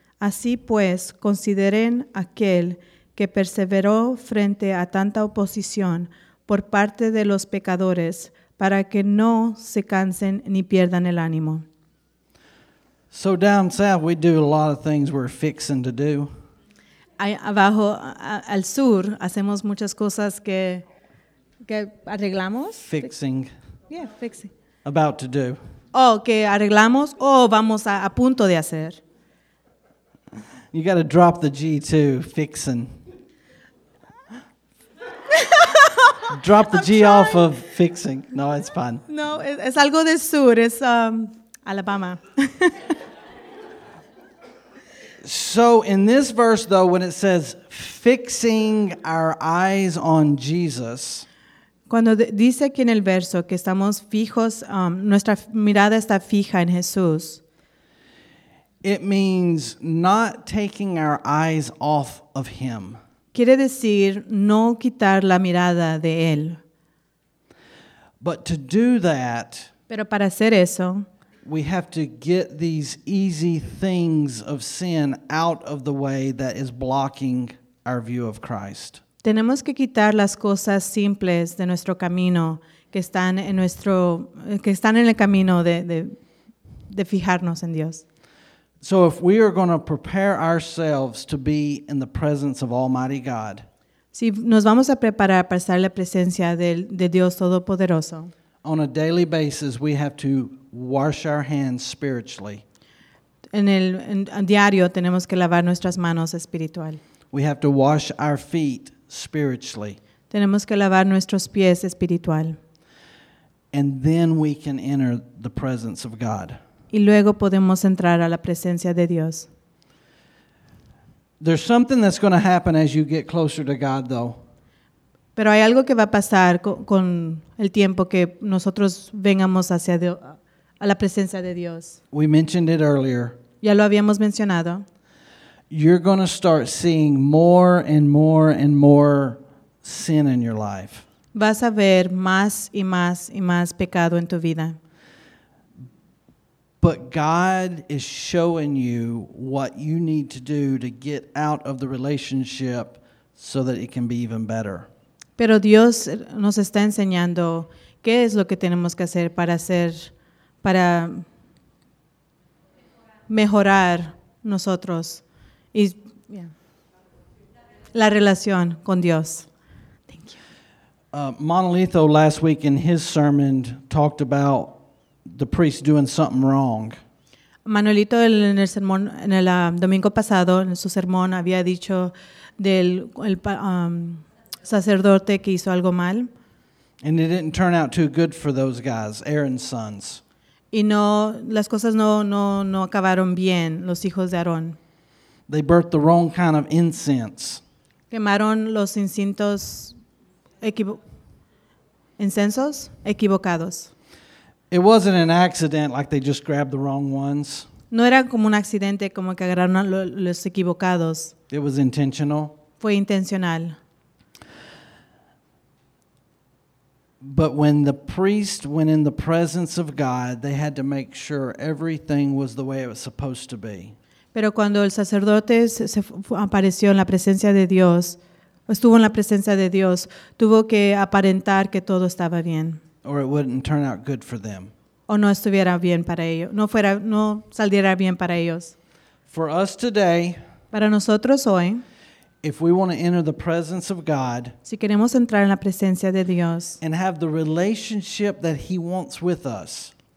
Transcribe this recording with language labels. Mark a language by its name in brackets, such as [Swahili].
[Spanish] Así pues, consideren aquel que perseveró frente a tanta oposición por parte de los pecadores, para que no se cansen ni pierdan el ánimo. [English] So down south we do a lot of things we're fixing to do. [Spanish] Abajo al sur hacemos muchas cosas que arreglamos. [English] Fixing. Yeah, fixing. About to do. [Spanish] Oh, que arreglamos o vamos a punto de hacer. [English] You got to drop the G too, fixing. Drop the I'm G trying. Off of fixing. No, it's fine. [Spanish] No, es algo del sur. Es Alabama. [English] So in this verse, though, when it says fixing our eyes on Jesus. [Spanish] Cuando dice aquí en el verso que estamos fijos, nuestra mirada está fija en Jesús. [English] It means not taking our eyes off of him. [Spanish] Quiere decir no quitar la mirada de él. [English] But to do that, [Spanish] pero para hacer eso, [English] we have to get these easy things of sin out of the way that is blocking our view of Christ. [Spanish] Tenemos que quitar las cosas simples de nuestro camino que están en el camino de fijarnos en Dios. [English] So if we are going to prepare ourselves to be in the presence of Almighty God, [Spanish] si nos vamos a preparar para estar en la presencia de Dios Todopoderoso, [English] on a daily basis we have to wash our hands spiritually. [Spanish] En diario tenemos que lavar nuestras manos espiritual. [English] We have to wash our feet spiritually. [Spanish] Tenemos que lavar nuestros pies espiritual. [English] And then we can enter the presence of God. [Spanish] Y luego podemos entrar a la presencia de Dios. [English] There's something that's going to happen as you get closer to God, though. [Spanish] Pero hay algo que va a pasar con el tiempo que nosotros vengamos hacia a la presencia de Dios. [English] We mentioned it earlier. [Spanish] Ya lo habíamos mencionado. [English] You're going to start seeing more and more and more sin in your life. [Spanish] Vas a ver más y más y más pecado en tu vida. [English] But God is showing you what you need to do to get out of the relationship so that it can be even better. [Spanish] Pero Dios nos está enseñando qué es lo que tenemos que hacer para hacer, para mejorar nosotros y la relación con Dios. [English] Thank you. Monolitho last week in his sermon talked about the priest doing something wrong. [Spanish] Manuelito en el sermón en el domingo pasado en su sermón había dicho del el sacerdote que hizo algo mal. [English] And it didn't turn out too good for those guys, Aaron's sons. [Spanish] Y no, las cosas no acabaron bien los hijos de Aarón. [English] They burnt the wrong kind of incense. [Spanish] Quemaron los incintos incensos equivocados. [English] It wasn't an accident like they just grabbed the wrong ones. [Spanish] No era como un accidente como que agarraron los equivocados. [English] It was intentional. [Spanish] Fue intencional. [English] But when the priest went in the presence of God, they had to make sure everything was the way it was supposed to be. [Spanish] Pero cuando el sacerdote apareció en la presencia de Dios, estuvo en la presencia de Dios, tuvo que aparentar que todo estaba bien. [English] Or it wouldn't turn out good for them. [Spanish] O no estuviera bien para ellos. No fuera, no saldría bien para ellos. [English] For us today, [Spanish] para nosotros hoy, [English] if we want to enter the presence of God, [Spanish] si queremos entrar en la presencia de Dios, [English] and have the relationship that He wants with us,